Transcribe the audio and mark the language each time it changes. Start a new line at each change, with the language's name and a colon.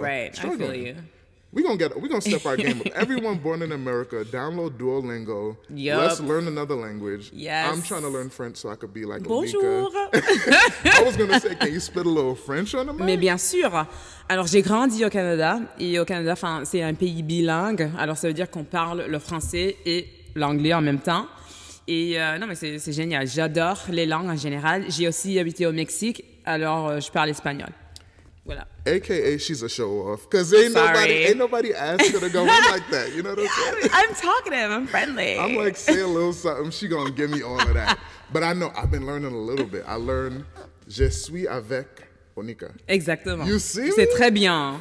English: Right. Struggling. I feel you. We're gonna step our game up. Everyone born in America, download Duolingo. Yep. Let's learn another language. Yes. I'm trying to learn French so I could be like
French: Bonjour.
English: I was gonna say, can you spit a little French on the mic?
French: Mais bien sûr. Alors, j'ai grandi au Canada. Et au Canada, c'est un pays bilingue. Alors, ça veut dire qu'on parle le français et l'anglais en même temps. Et non, mais c'est génial. J'adore les langues en général. J'ai aussi habité au Mexique, alors je parle espagnol. Voilà.
English: AKA, she's a show off. Because ain't nobody asked her to go in like that. You know what I'm saying? I'm talkative. I'm friendly. I'm like, say a little something. She going to give me all of that. But I know I've been learning a little bit. I learned,
French: je suis avec Oneika.
English: Exactly. You see?
French: C'est très bien.